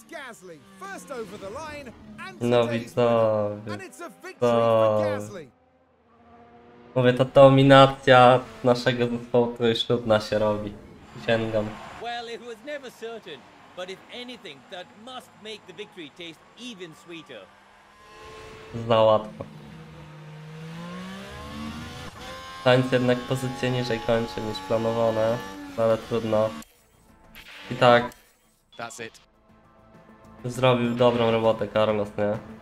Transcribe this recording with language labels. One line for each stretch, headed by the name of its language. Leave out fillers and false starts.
English: Gasly first over the line and no, today's and it's a victory for Gasly.
Polish: Mówię, ta dominacja naszego zespołu to już trudna się robi. Sięgam.
English: Well, it was never certain, but if anything, that must make the victory taste even sweeter.
Polish: Za łatwo. Sainz jednak pozycję niżej kończy niż planowane, ale trudno. I tak.
English: That's it.
Polish: Zrobił dobrą robotę Carlos, nie?